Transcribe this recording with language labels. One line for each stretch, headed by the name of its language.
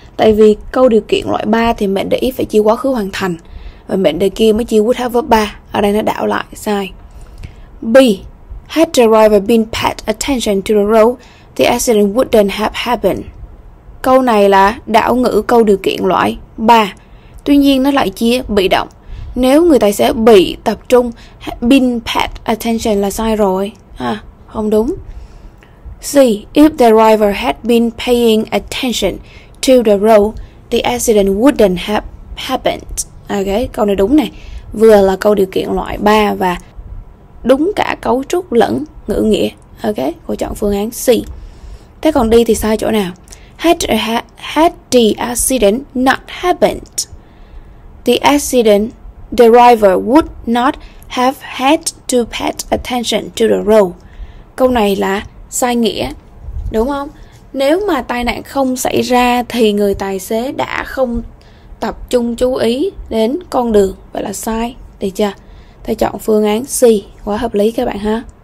Vietnamese: Tại vì câu điều kiện loại 3 thì mệnh đề if phải chia quá khứ hoàn thành, và mệnh đề kia mới chia would have verb 3. Ở đây nó đảo lại, sai. B.
English: Had the driver been paid attention to the road, the accident wouldn't have happened.
Vietnamese: Câu này là đảo ngữ câu điều kiện loại 3. Tuy nhiên nó lại chia bị động. Nếu người tài xế bị tập trung, been paid attention là sai rồi. À, không đúng. C.
English: If the driver had been paying attention to the road, the accident wouldn't have happened.
Vietnamese: Ok, câu này đúng này. Vừa là câu điều kiện loại 3 và đúng cả cấu trúc lẫn ngữ nghĩa. Ok, cô chọn phương án C. Thế còn D thì sai chỗ nào?
English: Had the accident not happened, the accident, the driver would not have had to pay attention to the road.
Vietnamese: Câu này là sai nghĩa, đúng không? Nếu mà tai nạn không xảy ra thì người tài xế đã không tập trung chú ý đến con đường, vậy là sai, được chưa? Thầy chọn phương án C, quá hợp lý các bạn ha.